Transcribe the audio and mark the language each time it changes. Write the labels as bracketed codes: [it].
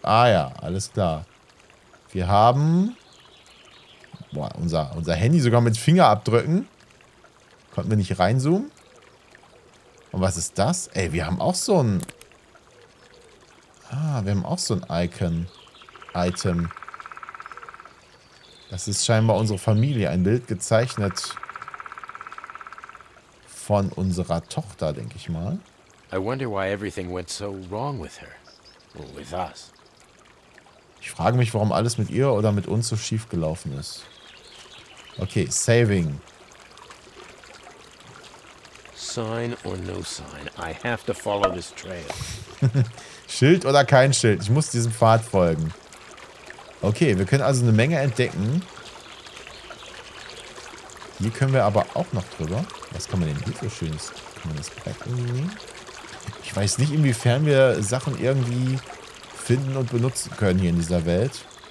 [de] Ah ja, alles klar. Wir haben... Boah, unser Handy sogar mit Fingerabdrücken. Konnten wir nicht reinzoomen? Und was ist das? Ey, wir haben auch so ein... wir haben auch so ein Icon. Item. Das ist scheinbar unsere Familie. Ein Bild gezeichnet von unserer Tochter, denke ich mal. [en] I wonder why everything went so wrong with her. Or with us. [de] Ich frage mich, warum alles mit ihr oder mit uns so schief gelaufen ist. [en] Okay, saving. Sign or no sign, I have to follow this trail. [de] Schild oder kein Schild, ich muss diesem Pfad folgen. Okay, wir können also eine Menge entdecken. Hier können wir aber auch noch drüber. Was kann man denn hier für Schönes? Kann man das Brett nehmen? Ich weiß nicht, inwiefern wir Sachen irgendwie finden und benutzen können hier in dieser Welt.